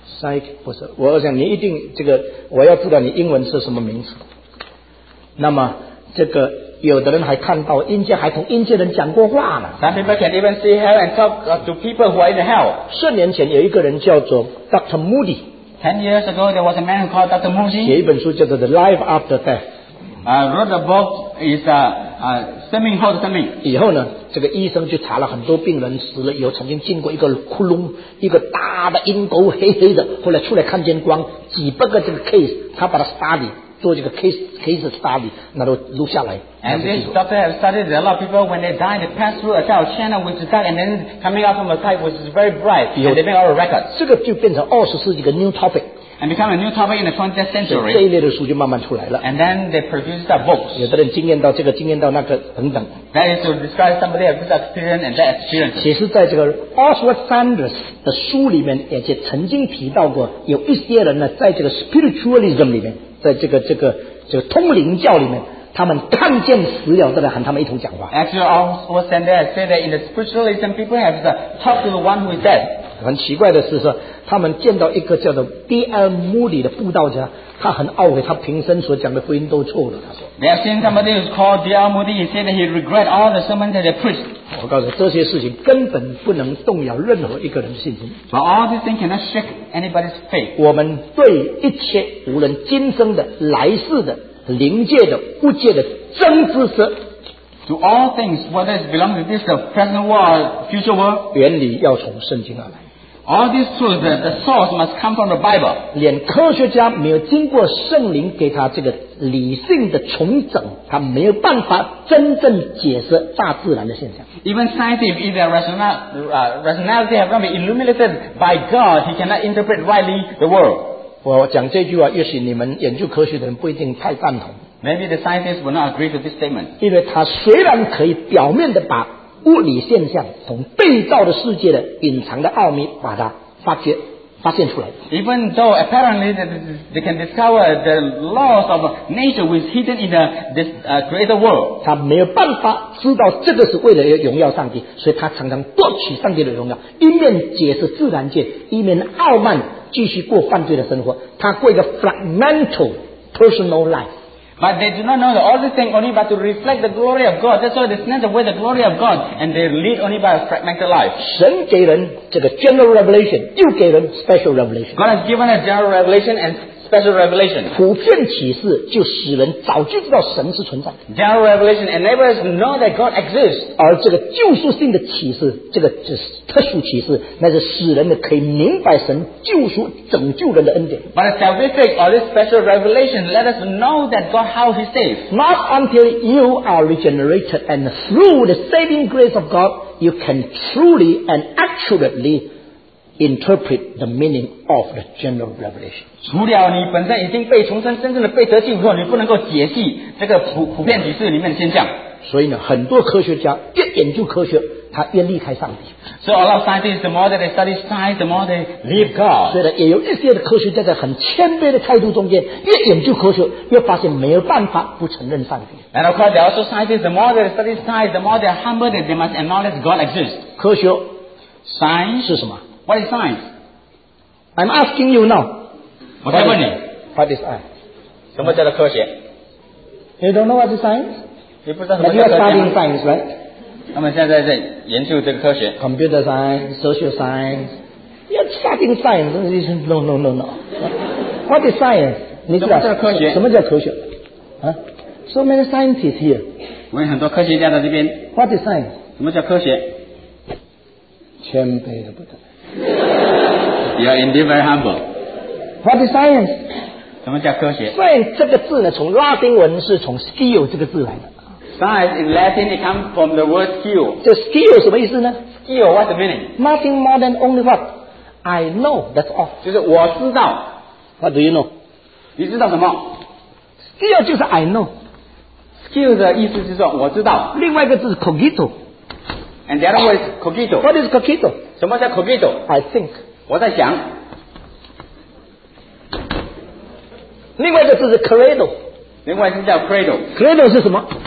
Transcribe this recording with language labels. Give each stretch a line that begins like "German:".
Chinese: ，psychic 不是，我想你一定这个，我要知道你英文是什么名词。那么这个有的人还看到阴间，还同阴间人讲过话呢。
English: Some people can even see hell and talk to people who are in the hell。
Chinese: 四年前有一个人叫做 Dr. Moody。
English: 10 years ago, there was a man called Dr. Moody。
Chinese: 写一本书叫做《The Life After Death》。
English: Wrote a book is a
Chinese: 生命后的生命。以后呢，这个医生就查了很多病人死了以后，曾经进过一个窟窿，一个大的阴沟，黑黑的。后来出来看见光，几百个这个 case， 他把它 study， 做这个 case study， 那都录下来。
English: And this doctor has studied a lot of people when they die, they pass through a kind of channel which is dark, and then coming out from a type which is very bright, and they make all the records.
Chinese: 这个就变成二十世纪的
English: new topic。 And become a new topic in the 20th century.
Chinese: 这一类的书就慢慢出来了。
English: And then they produce the books.
Chinese: 有的人经验到这个，经验到那个，等等。
English: That is to describe somebody of this experience and that experience.
Chinese: 其实在这个 Oswald Sanders 的书里面，也就曾经提到过，有一些人呢，在这个 spiritualism 里面，在这个通灵教里面，他们看见死了的人，喊他们一同讲话。
English: Actually, Oswald Sanders said that in the spiritualism, people have to talk to the one who is dead.
Chinese: 很奇怪的是说，他们见到一个叫做 D.L. Moody 的布道家，他很懊悔，他平生所讲的福音都错了。他说
English: ，They have seen somebody who's called D.L. Moody. He said that he regret all the sermons that they preached.
Chinese: 我告诉你，这些事情根本不能动摇任何一个人的信心。
English: But all these things cannot shake anybody's faith.
Chinese: 我们对一切无论今生的、来世的、灵界的、物界的真知识。
English: To all things, whether it belongs to this the present world, future world,
Chinese: 原理要从圣经而来。
English: All these truths, the source must come from the Bible.
Chinese: 连科学家没有经过圣灵给他这个理性的重整，他没有办法真正解释大自然的现象。
English: Even scientists, if their rationality have not been illuminated by God, he cannot interpret rightly the world.
Chinese: 我讲这句话，也许你们研究科学的人不一定太赞同。
English: Maybe the scientists will not agree to this statement.
Chinese: 因为他虽然可以表面的把物理现象从被造的世界的隐藏的奥秘把它发现出来。
English: Even though apparently they can discover the laws of nature which is hidden in this greater world.
Chinese: 他没有办法知道这个是为了要荣耀上帝，所以他常常夺取上帝的荣耀，一面解释自然界，一面傲慢继续过犯罪的生活。他过一个
English: fragmental personal life. But they do not know that all these things only but to reflect the glory of God. That's why they snatch away the glory of God and they lead only by a fragmented life.
Chinese: 神给人这个
English: general revelation,
Chinese: 又给人
English: special revelation. God has given a general revelation and special revelation.
Chinese: 普遍启示就使人早就知道神是存在。
English: General revelation enables us to know that God exists.
Chinese: 而这个救赎性的启示，这个就是特殊启示，那是使人的可以明白神救赎拯救人的恩典。
English: But a salvific or this special revelation let us know that God how he saves. Not until you are regenerated and through the saving grace of God, you can truly and accurately interpret the meaning of the general revelation.
Chinese: 除了你本身已经被重生，真正的被得救之后，你不能够解析这个普遍启示里面的现象。所以呢，很多科学家越研究科学，他越离开上帝。
English: So a lot of scientists, the more that they study science, the more they leave God.
Chinese: 所以呢，也有一些的科学家在很谦卑的态度中间，越研究科学，越发现没有办法不承认上帝。
English: And of course, there are also scientists, the more that they study science, the more they are humble that they must acknowledge God exists.
Chinese: 科学
English: ，science
Chinese: 是什么？
English: What is science? I'm asking you now. What is science? What is science?
Chinese: 什么叫做科学？
English: You don't know what is science?
Chinese: 你不知道什么叫科学吗？
English: You're studying science, right?
Chinese: 他们现在在研究这个科学。
English: Computer science, social science. You're studying science. No, no, no, no. What is science?
Chinese: 你知道什么叫科学？什么叫科学？啊？
English: So many scientists here.
Chinese: 我有很多科学家在这边。
English: What is science?
Chinese: 什么叫科学？谦卑的不得。
English: You are indeed very humble. What is science?
Chinese: 什么叫科学？ Science 这个字呢，从拉丁文是从 skill 这个字来的。
English: Science in Latin it comes from the word skill.
Chinese: 这 skill 什么意思呢？
English: Skill what's the meaning? Nothing more than only what I know. That's all.
Chinese: 就是我知道。
English: What do you know?
Chinese: 你知道什么？
English: Skill
Chinese: 就是
English: I know.
Chinese: Skill 的意思就是说我知道。另外一个字是 cogito。
English: And the other word is cogito. What is cogito?
Chinese: 什么叫 cogito?
English: I think.
Chinese: 我在想。另外一个字是 credo. 另外一个叫 credo. Credo 是什么？